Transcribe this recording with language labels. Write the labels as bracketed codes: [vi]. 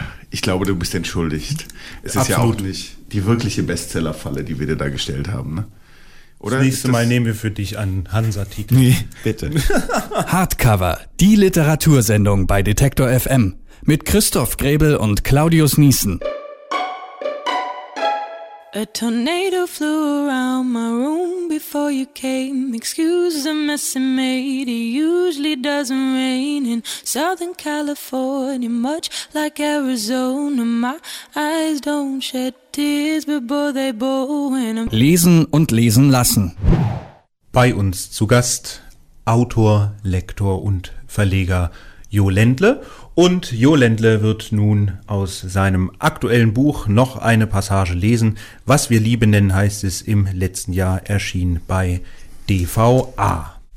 [de] Ich glaube, du bist entschuldigt. Es ist ja auch nicht die wirkliche Bestsellerfalle, die wir dir da gestellt haben. Ne? Oder das nächste Mal nehmen wir für dich einen Hansa-Titel. Nee, bitte. Hardcover, die Literatursendung bei Detektor FM. mit Christoph Grebel und Claudius Niesen. [en] A tornado flew around my room before you came. Excuse the mess I made, it usually doesn't rain in Southern California, much like Arizona. My eyes don't shed tears before they bow. [de] Lesen und lesen lassen. Bei uns zu Gast Autor, Lektor und Verleger Jo Ländle. Und Jo Ländle wird nun aus seinem aktuellen Buch noch eine Passage lesen. Was wir Liebe nennen, heißt es, im letzten Jahr erschien bei DVA.